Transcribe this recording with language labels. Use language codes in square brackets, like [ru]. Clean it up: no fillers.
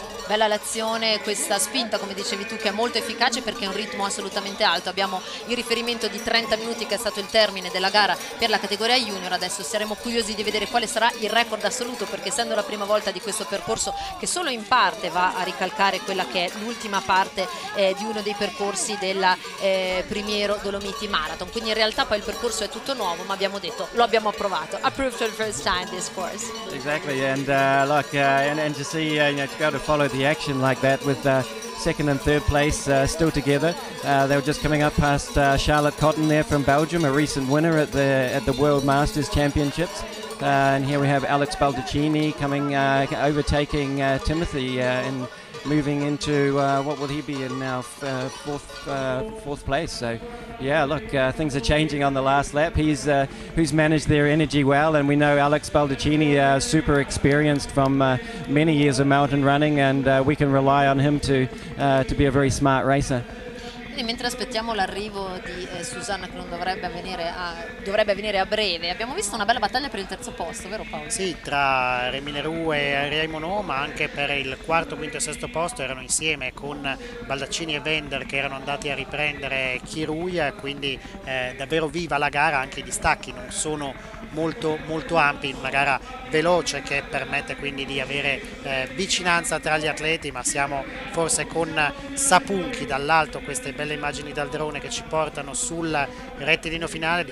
[it] Bella l'azione, questa spinta come dicevi tu che è molto efficace perché è un ritmo assolutamente alto, abbiamo il riferimento di 30 minuti che è stato il termine della gara per la categoria junior, adesso saremo curiosi di vedere quale sarà il record assoluto perché essendo la prima volta di questo percorso che solo in parte va a ricalcare quella che è l'ultima parte di uno dei percorsi della Primiero Dolomiti Marathon, quindi in realtà poi il percorso è tutto nuovo ma abbiamo detto lo abbiamo approvato, [en] approved for the first time this course. Exactly, and look and to see, to go to follow the action like that with second and third place still together. They were just coming up past Charlotte Cotton there from Belgium, a recent winner at the World Masters Championships. And here we have Alex Baldacchini coming, overtaking Timothy and moving into, what will he be in now, fourth place. So yeah, look, things are changing on the last lap. He's managed their energy well, and we know Alex Baldacchini, super experienced from many years of mountain running, and we can rely on him to be a very smart racer. [it] Quindi mentre aspettiamo l'arrivo di Susanna, che non dovrebbe venire a, dovrebbe venire a breve, abbiamo visto una bella battaglia per il terzo posto, vero Paolo? Sì, tra Rémy Leroux e Ariel Monod, ma anche per il quarto, quinto e sesto posto erano insieme con Baldaccini e Wendel, che erano andati a riprendere Kiruia, quindi davvero viva la gara, anche i distacchi non sono molto molto ampi in una gara veloce che permette quindi di avere vicinanza tra gli atleti, ma siamo forse con sapunchi dall'alto queste belle immagini dal drone che ci portano sul rettilineo finale.